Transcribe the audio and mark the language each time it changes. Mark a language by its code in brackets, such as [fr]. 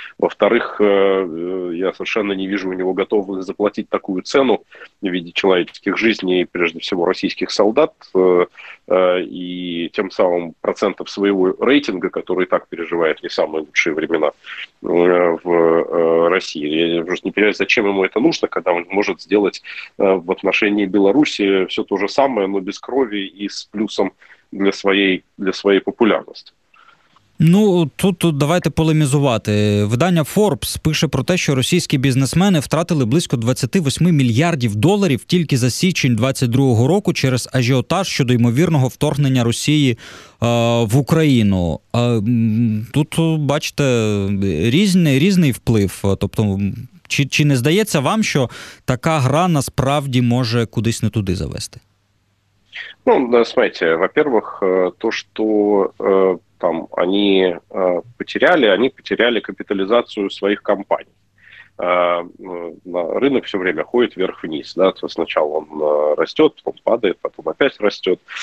[ru] Во-вторых, я совершенно не вижу у него готовности заплатить такую цену в виде человеческих жизней, прежде всего российских солдат, и тем самым процентов своего рейтинга, который и так переживает не самые лучшие времена в России. Я просто не понимаю, зачем ему это нужно, когда он может сделать в отношении Беларуси все то же самое, но без крови и с плюсом для своей популярности. [uk] Ну, тут давайте полемізувати. Видання Forbes пише про те, що російські бізнесмени втратили близько 28 мільярдів доларів тільки за січень 2022 року через ажіотаж щодо ймовірного вторгнення Росії в Україну. Тут, бачите, різний вплив. Тобто, чи не здається вам, що така гра насправді може кудись не туди завести? [ru] Ну, да, смотрите, во-первых, то, что там они потеряли капитализацию своих компаний. Рынок все время ходит вверх-вниз. Да? Сначала он растет, потом падает, потом опять растет.